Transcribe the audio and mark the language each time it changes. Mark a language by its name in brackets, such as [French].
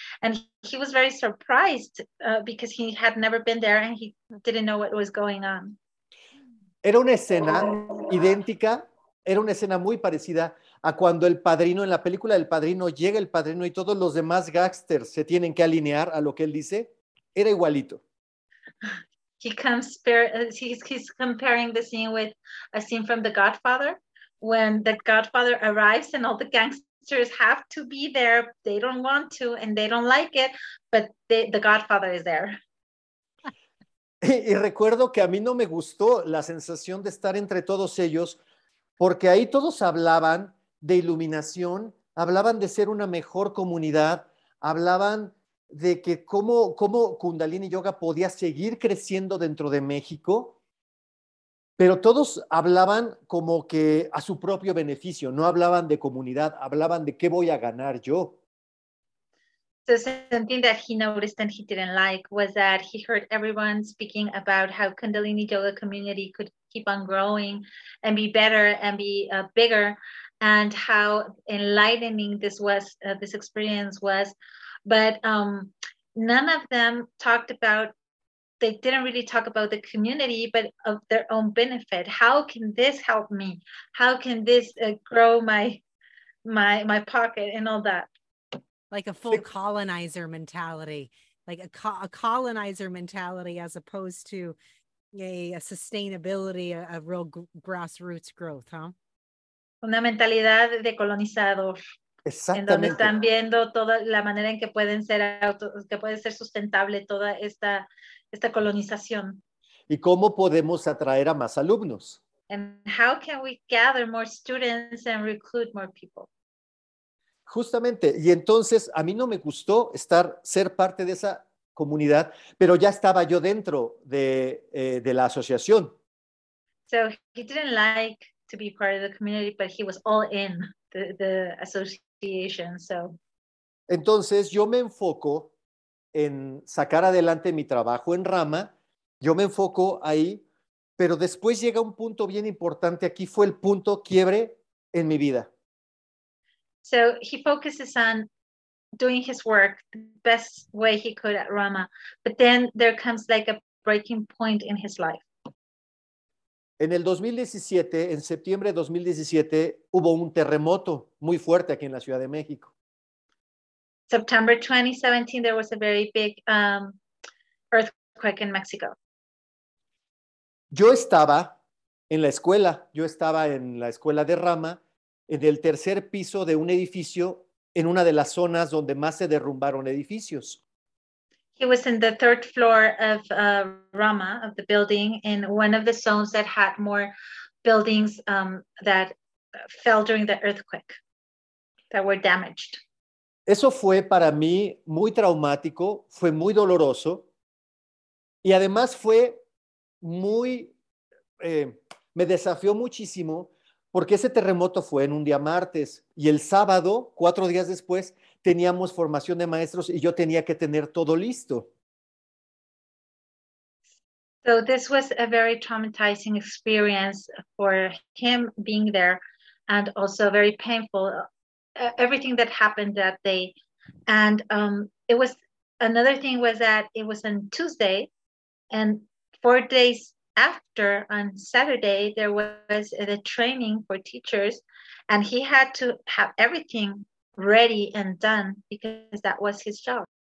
[English] And he was very surprised because he had never been there and he didn't know what was going on. [Spanish] Era una escena idéntica. Era una escena muy parecida a cuando el padrino, en la película del padrino, llega el padrino y todos los demás gangsters se tienen que alinear a lo que él dice. Era igualito. [English] He's comparing the scene with a scene from The Godfather, when the Godfather arrives and all the gangsters have to be there. They don't want to and they don't like it, but the Godfather is there. [Spanish] Y recuerdo que a mí no me gustó la sensación de estar entre todos ellos, porque ahí todos hablaban de iluminación, hablaban de ser una mejor comunidad, hablaban de que cómo Kundalini Yoga podía seguir creciendo dentro de México, pero todos hablaban como que a su propio beneficio, no hablaban de comunidad, hablaban de qué voy a ganar yo. [English] So something that he noticed and he didn't like was that he heard everyone speaking about how Kundalini Yoga community could keep on growing and be better and be bigger, and how enlightening this experience was. But none of them didn't really talk about the community, but of their own benefit. How can this help me? How can this grow my pocket and all that? Like a full colonizer mentality, like a colonizer mentality, as opposed to a sustainability, a real grassroots growth, huh? [Spanish] Una mentalidad de colonizador. Exactamente. En donde están viendo toda la manera en que pueden ser que puede ser sustentable toda esta colonización. ¿Y cómo podemos atraer a más alumnos? [English] And how can we gather more students and recruit more people? [Spanish] Justamente, y entonces a mí no me gustó ser parte de esa comunidad, pero ya estaba yo dentro de la asociación. [English] So he didn't like to be part of the community, but he was all in the association. So [Spanish] entonces yo me enfoco en sacar adelante mi trabajo en Rama, yo me enfoco ahí, pero después llega un punto bien importante, aquí fue el punto quiebre en mi vida. [English] So he focuses on doing his work the best way he could at Rama. But then there comes like a breaking point in his life. [Spanish] En el 2017, en septiembre de 2017, hubo un terremoto muy fuerte aquí en la Ciudad de México. [English] September 2017, there was a very big earthquake in Mexico. [Spanish] Yo estaba en la escuela. Yo estaba en la escuela de Rama, en el tercer piso de un edificio, en una de las zonas donde más se derrumbaron edificios. [English] He was in the third floor of Rama, of the building, in one of the zones that had more buildings that fell during the earthquake, that were damaged. [Spanish] Eso fue para mí muy traumático, fue muy doloroso y además fue muy, me desafió muchísimo porque ese terremoto fue en un día martes y el sábado, 4 días después, teníamos formación de maestros y yo tenía que tener todo listo. [English] So this was a very traumatizing experience for him being there and also very painful. Everything that happened that day. And it was another thing was that it was on Tuesday, and 4 days after on Saturday, there was the training for teachers, and he had to have everything ready and done because that was his job.